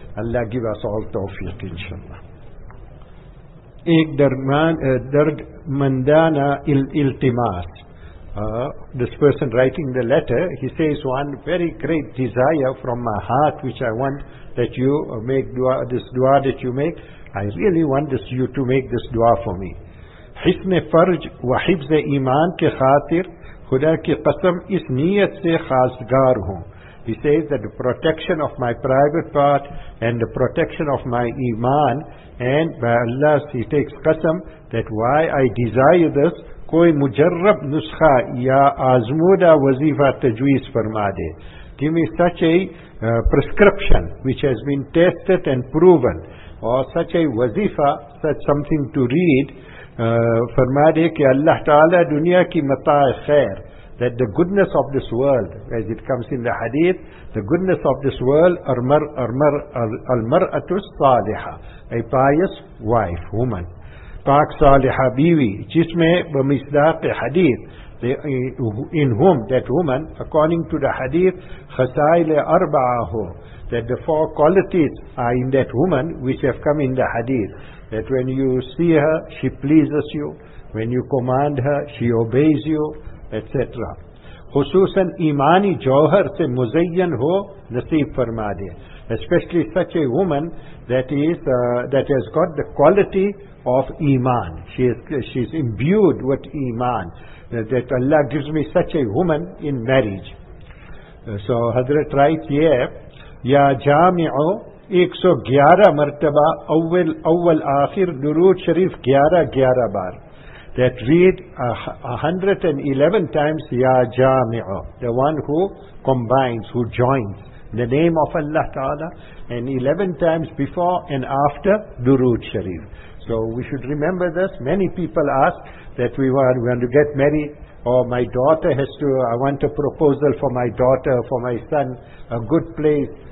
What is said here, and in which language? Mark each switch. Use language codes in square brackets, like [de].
[en] Allah give us all tawfiq, inshallah. [ur] Ek dard mandana iltimas. [en] This person writing the letter, he says, one very great desire from my heart, which I want that you make dua, this dua that you make. I really want this, you to make this dua for me. [ur] Hasan fridge و حفظ ایمان کے خاطر خدا کی قسم اس نیت سے خاصگار ہوں [en] He says that the protection of my private part and the protection of my iman, and by Allah he takes qasam that why I desire this, [ur] koi mujarrab nuskha ya azmuda wazifa tajweez farmade. [en] Give me such a prescription which has been tested and proven, or such a wazifa, such something to read. [ur] Farmade ke Allah ta'ala dunya ki mata'i khair, [en] that the goodness of this world, as it comes in the hadith, the goodness of this world, [ar] al-mar'atus saliha, [en] a pious wife, woman, [ur] paak saliha biwi, jisme wa misdaq hadith, [en] in whom that woman, according to the hadith, [ar] khasaila arba'ahu, [en] that the four qualities are in that woman, which have come in the hadith, that when you see her, she pleases you, when you command her, she obeys you, etc. [ur] خصوصاً ایمانی جوہر سے مزین ہو نصیب فرما دے. [en] Especially such a woman that is that has got the quality of iman. She is imbued with iman. That Allah gives me such a woman in marriage. So حضرت writes here, [ur] یا جامع 111 مرتبہ اول آخر درود شریف 11 بار. [en] That read 111 times Ya Jami'u, the one who combines, who joins the name of Allah Ta'ala, and 11 times before and after Durood Sharif. So we should remember this. Many people ask that we want to get married, or my daughter has to, I want a proposal for my daughter, for my son, a good place.